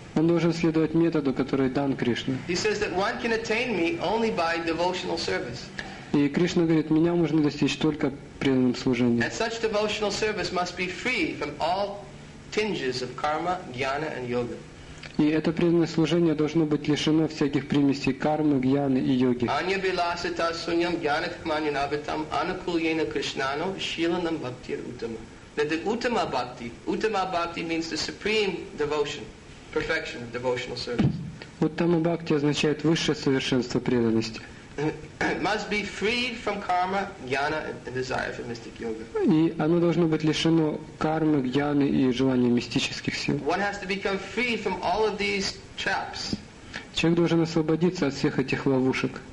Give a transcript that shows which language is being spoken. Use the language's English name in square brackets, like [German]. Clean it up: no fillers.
[Russian] Он должен следовать методу, который дан Кришне. [English] He says that one can attain me only by devotional service. [Russian] И Кришна говорит, меня можно достичь только преданным служением. [English] And such devotional service must be free from all tinges of karma, jnana and yoga. [Russian] И это преданное служение должно быть лишено всяких примесей кармы, гьяны и йоги. [Sanskrit] Anya bilasita sunyam jnana khmanyanavitam anukulyena krishnano shilanam bhaktir uttama. [English] That the uttama bhakti means the supreme devotion, perfection of devotional service. [Russian] Uttama bhakti означает высшее совершенство преданности. [English] Must be freed from karma, jnana, and desire for mystic yoga. [Russian] И оно должно быть лишено кармы, гьяны и желания мистических сил. [English] One has to become free from all of these traps. [Russian] Человек должен освободиться от всех этих ловушек.